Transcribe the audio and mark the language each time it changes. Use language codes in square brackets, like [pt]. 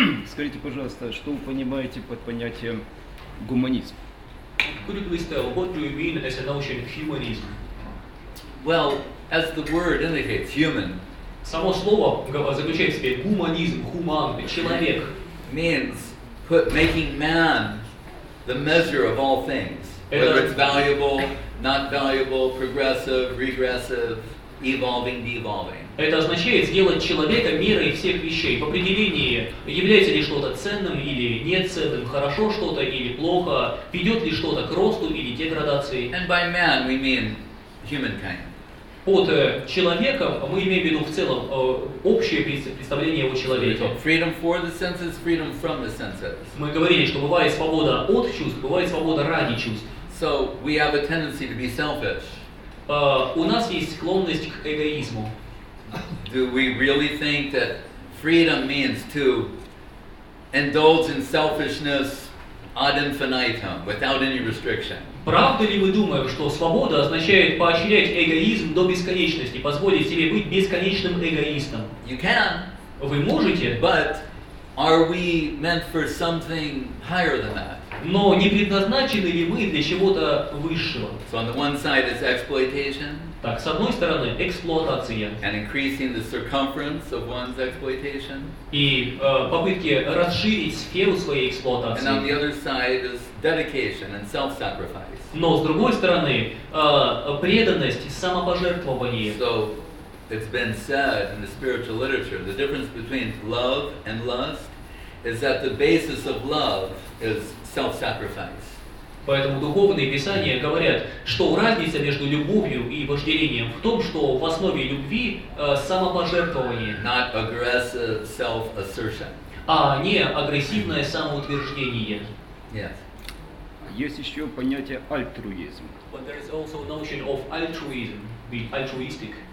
[ru] Скажите, пожалуйста, что вы понимаете под понятием гуманизм? [en] Could you please tell what do you mean as a notion of humanism? Well, as the word indicates, human. [ru] Само слово заключает в себе гуманизм, хуман, человек. [en] Means put making man the measure of all things, whether it's valuable, not valuable, progressive, regressive. Evolving, devolving. [ru] Это означает сделать человека мерой всех вещей. В определении, является ли что-то ценным или нет ценным, хорошо что-то или плохо, ведет ли что-то к росту или деградации. [en] And by man we mean humankind. [ru] Под человеком мы имеем в виду в целом общее представление о человеке. [en] Freedom for the senses, freedom from the senses. [ru] Мы говорили, что бывает свобода от чувств, бывает свобода ради чувств. [en] So we have a tendency to be selfish. [ru] У нас есть склонность к эгоизму. [en] Do we really think that freedom means to indulge in selfishness ad infinitum, without any restriction? [ru] Правда ли мы думаем, что свобода означает поощрять эгоизм до бесконечности, позволить себе быть бесконечным эгоистом? [en] You can. [ru] Вы можете. [en] But Are we meant for something higher than that? [ru] Но не предназначены ли мы для чего-то высшего? [en] So on the one side is exploitation. [ru] Так, с одной стороны, эксплуатация. [en] And increasing the circumference of one's exploitation. [ru] И попытки расширить сферу своей эксплуатации. [en] And on the other side is dedication and self-sacrifice. [ru] Но с другой стороны, преданность, самопожертвование. [en] So it's been said in the spiritual literature, the difference between love and lust is that the basis of love is self-sacrifice. [ru] Поэтому духовные писания говорят, что разница между любовью и вожделением в том, что в основе любви самопожертвование. [en] Not aggressive self-assertion. [ru] А не агрессивное самоутверждение. [en] Yes. [ru] Есть еще понятие альтруизм. [en] But there is also notion of altruism, being altruistic.